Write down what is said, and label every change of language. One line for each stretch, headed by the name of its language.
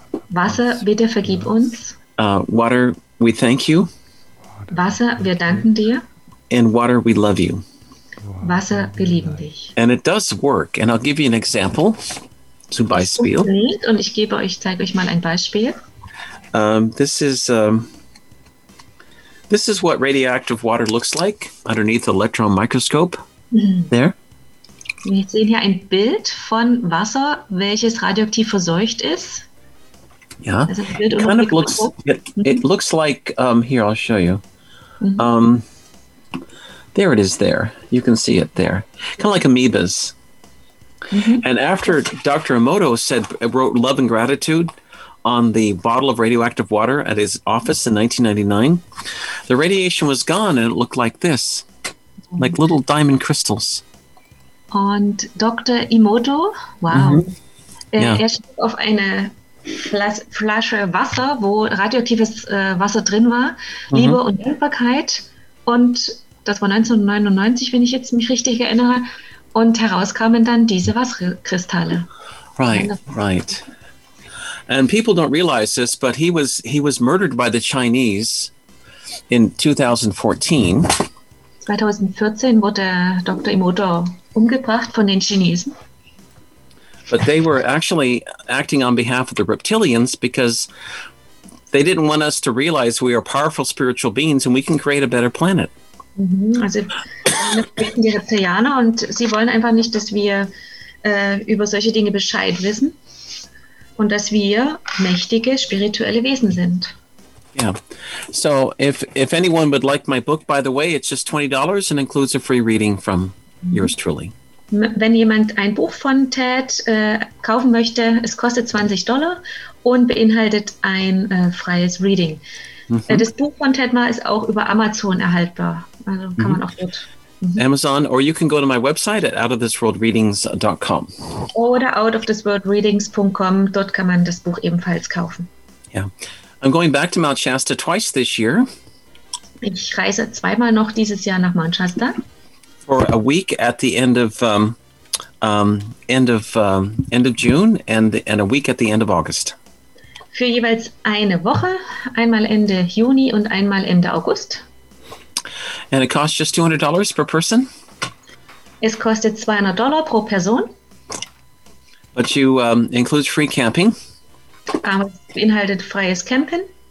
German: Wasser, bitte vergib uns.
English: Water, we thank you.
German: Wasser, wir danken dir.
English: And water, we love you.
German: Wasser, wir lieben dich.
English: And it does work. And I'll give you an example.
German: Zum Beispiel. Und ich gebe euch, zeige euch mal ein Beispiel.
English: This is what radioactive water looks like underneath the electron microscope. There.
German: Wir sehen hier ein Bild von Wasser, welches radioaktiv verseucht ist.
English: Yeah, it kind of looks. It looks like. Here, I'll show you. There it is. There, you can see it. There, kind of like amoebas. And after Dr. Emoto wrote love and gratitude on the bottle of radioactive water at his office in 1999, the radiation was gone, and it looked like this, like little diamond crystals. And Dr.
German: Emoto,
English: wow, he stood on a
German: Flasche Wasser, wo radioaktives Wasser drin war, Liebe und Dankbarkeit, und das war 1999, wenn ich jetzt mich richtig erinnere, und heraus kamen dann diese Wasserkristalle.
English: Right, right. And people don't realize this, but he was murdered by the Chinese in 2014.
German: 2014 wurde Dr. Emoto umgebracht von den Chinesen.
English: But they were actually acting on behalf of the reptilians because they didn't want us to realize we are powerful spiritual beings and we can create a better planet.
German: Also, die Reptilianer und sie wollen einfach nicht, dass wir über solche Dinge Bescheid wissen und dass wir mächtige spirituelle Wesen sind.
English: Yeah. So if anyone would like my book, by the way, it's just $20 and includes a free reading from yours truly.
German: Wenn jemand ein Buch von Ted kaufen möchte, es kostet $20 und beinhaltet ein freies Reading. Mm-hmm. Das Buch von Ted Ma ist auch über Amazon erhaltbar. Also kann man auch dort.
English: Mm-hmm. Amazon, or you can go to my website at outofthisworldreadings.com.
German: Oder outofthisworldreadings.com, dort kann man das Buch ebenfalls kaufen.
English: Yeah. I'm going back to Mount Shasta twice this year.
German: Ich reise zweimal noch dieses Jahr nach Mount Shasta.
English: For a week at the end of June and a week at the end of August.
German: Für jeweils eine Woche, einmal Ende Juni und einmal Ende August.
English: And it costs just $200 per person.
German: Es kostet $200 pro Person.
English: But you include free camping.
German: Aber es beinhaltet freies Campen.